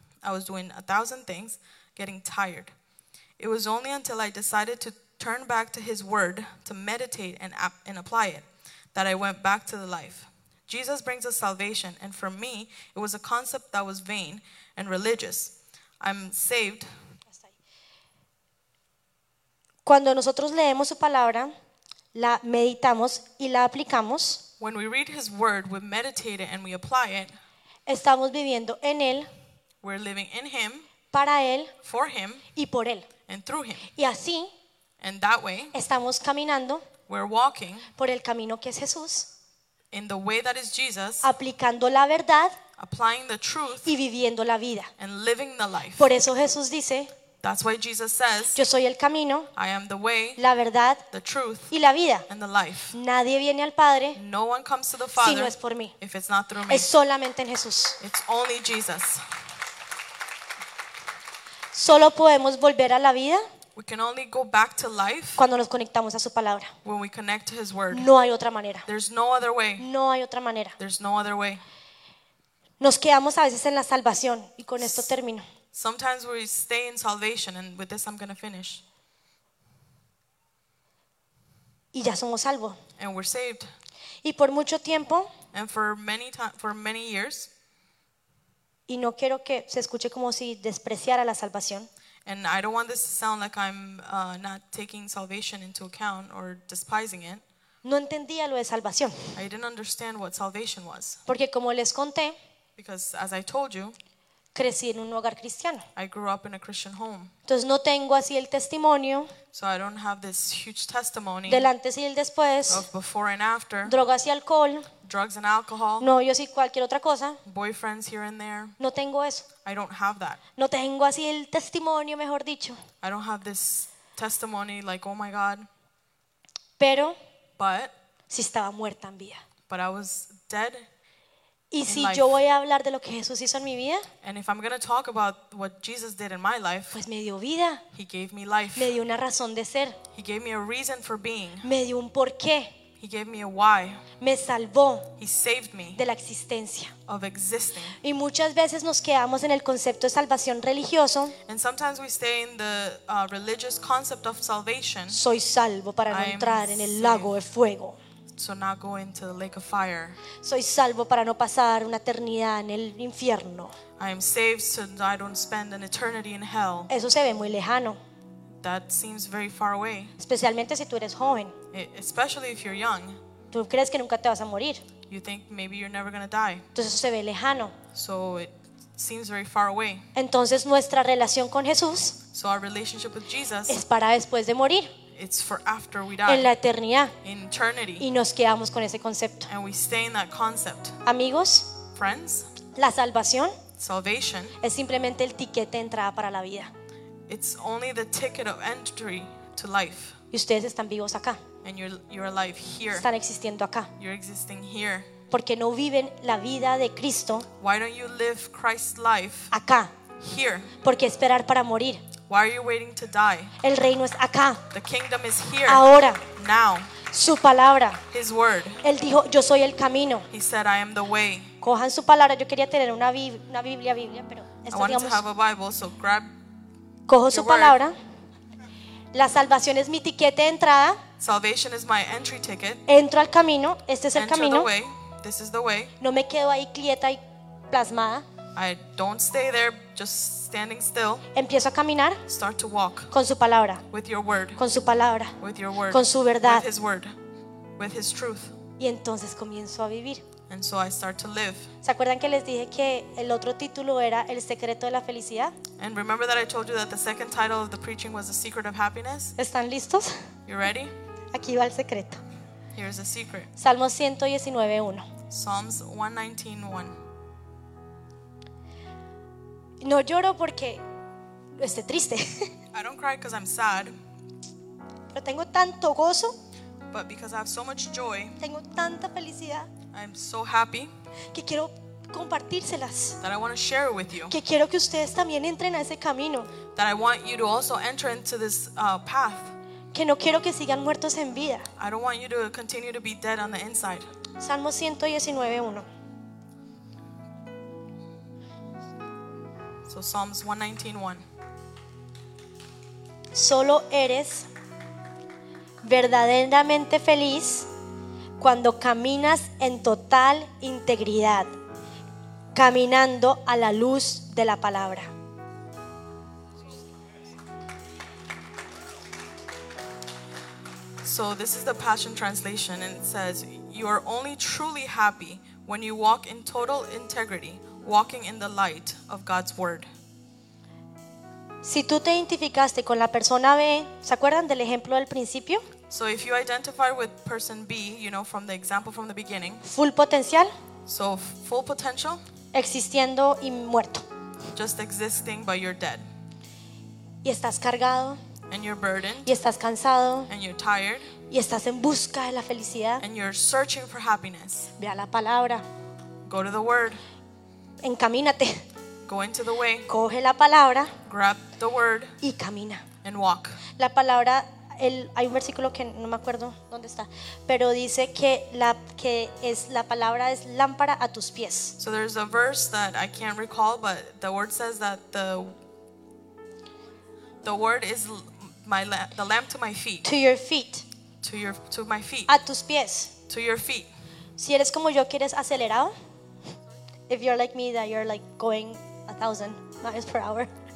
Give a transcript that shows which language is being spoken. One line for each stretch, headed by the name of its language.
English: I was doing 1,000 things, getting tired. It was only until I decided to turn back to his word, to meditate and apply it, that I went back to the life. Jesus brings us salvation, and for me, it was a concept that was vain and religious. I'm saved.
Spanish: Cuando nosotros leemos su palabra, la meditamos y la aplicamos,
English: when we read his word, we meditate it and we apply it.
Spanish: Estamos viviendo en él.
English: We're living in him.
Spanish: Para él.
English: For him.
Spanish: Y por él.
English: And through him.
Spanish: Y así.
English: And that way.
Spanish: Estamos caminando.
English: We're walking.
Spanish: Por el camino que es Jesús.
English: In the way that is Jesus,
Spanish: aplicando la verdad,
English: applying the truth,
Spanish: y viviendo la vida,
English: and living the life.
Spanish: Por eso Jesús dice,
English: that's why Jesus says,
Spanish: yo soy el camino,
English: I am the way,
Spanish: la verdad,
English: the truth,
Spanish: y la vida,
English: and the life.
Spanish: Nadie viene al Padre,
English: no one comes to the Father,
Spanish: si no es por mí.
English: If it's not through me.
Spanish: Es solamente en Jesús.
English: It's only Jesus.
Spanish: Solo podemos volver a la vida.
English: We can only go back to life
Spanish: cuando nos conectamos a su palabra.
English: When we connect to his word.
Spanish: No hay otra manera.
English: There's no other way.
Spanish: No hay otra manera.
English: There's no other way.
Spanish: Nos quedamos a veces en la salvación y con esto termino.
English: Sometimes we stay in salvation and with this I'm going to finish.
Spanish: Y ya somos salvos.
English: And we're saved.
Spanish: Y por mucho tiempo.
English: And for many years.
Spanish: Y no quiero que se escuche como si despreciara la salvación.
English: And I don't want this to sound like I'm not taking salvation into account or despising it.
Spanish: No entendía lo de salvación.
English: I didn't understand what salvation was.
Spanish: Porque como les conté,
English: because as I told you,
Spanish: crecí en un hogar cristiano.
English: I grew up in a Christian home.
Spanish: Entonces no tengo así el testimonio.
English: So I don't have this huge testimony.
Spanish: Del antes y el después.
English: Of before and after.
Spanish: Drogas y alcohol.
English: Drugs and alcohol.
Spanish: No, yo sí cualquier otra cosa.
English: Boyfriends here and there.
Spanish: No tengo eso.
English: I don't have that.
Spanish: No tengo así el testimonio, mejor dicho.
English: I don't have this testimony, like, oh my God.
Spanish: Pero,
English: but,
Spanish: si estaba muerta en vida.
English: But I was dead.
Spanish: Y si yo voy a hablar de lo que Jesús hizo en mi vida,
English: and if I'm going to talk about what Jesus did in my life,
Spanish: pues me dio vida.
English: He gave me life.
Spanish: Me dio una razón de ser.
English: He gave me a reason for being.
Spanish: Me dio un porqué.
English: He gave me a why.
Spanish: Me salvó.
English: He saved me.
Spanish: De la existencia.
English: Of existing.
Spanish: Y muchas veces nos quedamos en el concepto de salvación religioso.
English: And sometimes we stay in the religious concept of salvation.
Spanish: Soy salvo para no entrar en el lago de fuego.
English: So not go into the lake of fire.
Spanish: Soy salvo para no pasar una eternidad en el infierno.
English: I am saved so I don't spend an eternity in hell.
Spanish: Eso se ve muy lejano.
English: That seems very far away.
Spanish: Especialmente si tú eres joven.
English: Especially if you're young.
Spanish: Tú crees que nunca te vas a morir.
English: You think maybe you're never going to die.
Spanish: Entonces eso se ve lejano.
English: So it seems very far away.
Spanish: Entonces nuestra relación con Jesús,
English: so our relationship with Jesus,
Spanish: es para después de morir.
English: It's for after we die.
Spanish: En la eternidad.
English: In eternity.
Spanish: Y nos quedamos con ese concepto.
English: And we stay in that concept.
Spanish: Amigos,
English: friends,
Spanish: la salvación,
English: salvation,
Spanish: es simplemente el tiquete de entrada para la vida.
English: It's only the ticket of entry to life.
Spanish: Y ustedes están vivos acá.
English: And you're alive here.
Spanish: Están existiendo acá.
English: You're existing here.
Spanish: Porque no viven la vida de Cristo.
English: Why don't you live Christ's life?
Spanish: Acá.
English: Here.
Spanish: Porque esperar para morir.
English: Why are you waiting to die?
Spanish: El reino es acá.
English: The kingdom is here.
Spanish: Ahora.
English: Now.
Spanish: Su palabra.
English: His word.
Spanish: Él dijo, yo soy el camino.
English: He said, I am the way.
Spanish: Cojan su palabra. Yo quería tener una Biblia, pero esto,
English: I wanted,
Spanish: digamos,
English: to have a Bible, so grab.
Spanish: Cojo su palabra. La salvación es mi tiquete de entrada.
English: Salvation is my entry ticket.
Spanish: Entro al camino. Este es el
English: enter
Spanish: camino.
English: The way. This is the way.
Spanish: No me quedo ahí quieta y plasmada.
English: I don't stay there, just standing still.
Spanish: Empiezo a caminar.
English: Start to walk.
Spanish: Con su palabra.
English: With your word.
Spanish: Con su palabra.
English: With your word.
Spanish: Con su verdad.
English: With his word. With his truth.
Spanish: Y entonces comienzo a vivir.
English: And so I start to live.
Spanish: ¿Se acuerdan que les dije que el otro título era El secreto de la felicidad?
English: And remember that I told you that the second title of the preaching was The Secret of Happiness?
Spanish: ¿Están listos?
English: You ready?
Spanish: Aquí va el secreto.
English: Here's the secret.
Spanish: Salmo 119:1.
English: Psalms 119:1.
Spanish: No lloro porque esté triste.
English: I don't cry because I'm sad.
Spanish: Pero tengo tanto gozo.
English: But because I have so much joy.
Spanish: Tengo tanta felicidad.
English: I'm so happy.
Spanish: Que quiero compartírselas.
English: That I want to share with you.
Spanish: Que quiero que ustedes también entren a ese camino.
English: That I want you to also enter into this path.
Spanish: Que no quiero que sigan muertos en vida.
English: I don't want you to continue to be dead on the inside.
Spanish: Salmo 119:1.
English: So Psalms 119:1.
Spanish: Solo eres verdaderamente feliz cuando caminas en total integridad, caminando a la luz de la palabra.
English: So this is the Passion Translation, and it says, you are only truly happy when you walk in total integrity, walking in the light of God's word.
Spanish: Si tú te identificaste con la persona B, ¿se acuerdan del ejemplo del principio?
English: So if you identify with person B, you know, from the example from the beginning. Full
Spanish: potencial.
English: So full potential.
Spanish: Existiendo y muerto.
English: Just existing, but you're dead.
Spanish: Y estás cargado.
English: And you're burdened.
Spanish: Y estás cansado.
English: And you're tired.
Spanish: Y estás en busca de la felicidad.
English: And you're searching for happiness.
Spanish: Ve a la palabra.
English: Go to the word.
Spanish: Encamínate.
English: Go into the way.
Spanish: Coge la palabra.
English: Grab the word.
Spanish: Y camina.
English: And walk.
Spanish: La palabra, hay un versículo que no me acuerdo dónde está, pero dice que la palabra es lámpara a tus pies.
English: So there's a verse that I can't recall, but the word says that the word is the lamp to my feet. To your feet. To my feet.
Spanish: A tus pies.
English: To your feet.
Spanish: Si eres como yo, que eres acelerado.
English: If you're like me, that you're like going 1,000 miles per hour.